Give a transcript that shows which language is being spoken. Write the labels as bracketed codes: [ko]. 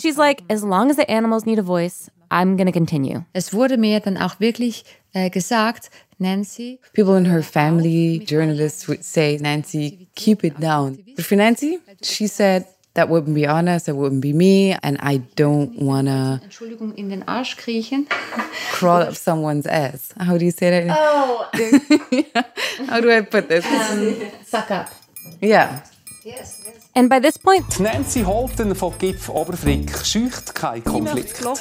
[en] She's like, as long as the animals need a voice, I'm going to continue. [de] Es wurde mir dann auch wirklich gesagt, [en] Nancy. People in her family, journalists, would say, Nancy, keep it down. But for Nancy, she said, that wouldn't be honest, that wouldn't be me, and I don't want to [de] Entschuldigung, in den Arsch kriechen. [en] Crawl up someone's ass. How do you say that? Oh! How do I put this? Suck up. Yeah. Yes. And by this point, [de] Nancy Holten von Gipf Oberfrick scheucht kein Konflikt.